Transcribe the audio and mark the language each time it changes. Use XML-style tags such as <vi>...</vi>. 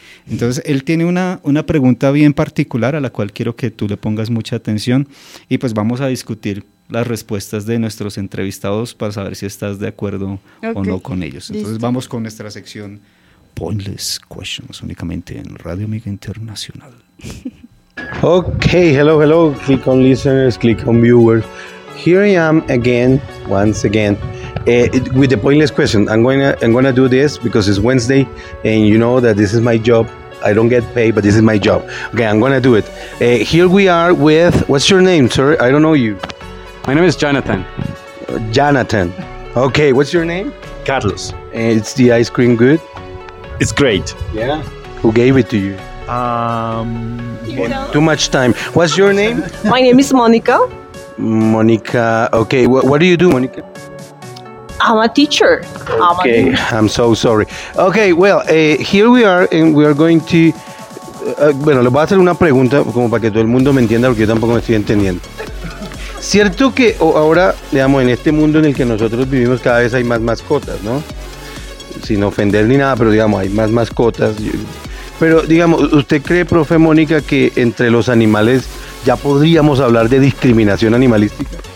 <es>Entonces, él tiene una pregunta bien particular a la cual quiero que tú le pongas mucha atención y pues vamos a discutir las respuestas de nuestros entrevistados para saber si estás de acuerdo o no con ellos. Entonces, vamos con nuestra sección Pointless Questions, únicamente en Radio Amiga Internacional.</es> <en>Ok, hello, click on listeners, click on viewers. Here I am once again, with the pointless question. I'm gonna do this because it's Wednesday and you know that this is my job. I don't get paid, but this is my job. Okay, I'm gonna do it. Here we are with, what's your name, sir? I don't know you. My name is Jonathan. Jonathan. Okay, what's your name? Carlos. Is the ice cream good? It's great. Yeah? Who gave it to you? Too much time. What's your name? My name is Monica. Monica. Okay, what do you do, Monica? I'm a teacher. Okay, I'm so sorry. Okay, well, here we are and we are going to</en> <es>Bueno, les voy a hacer una pregunta como para que todo el mundo me entienda, porque yo tampoco me estoy entendiendo. Cierto que ahora, digamos, en este mundo en el que nosotros vivimos, cada vez hay más mascotas, ¿no? Sin ofender ni nada, pero digamos, hay más mascotas. Pero, digamos, ¿usted cree, profe Mónica, que entre los animales ya podríamos hablar de discriminación animalística?</es>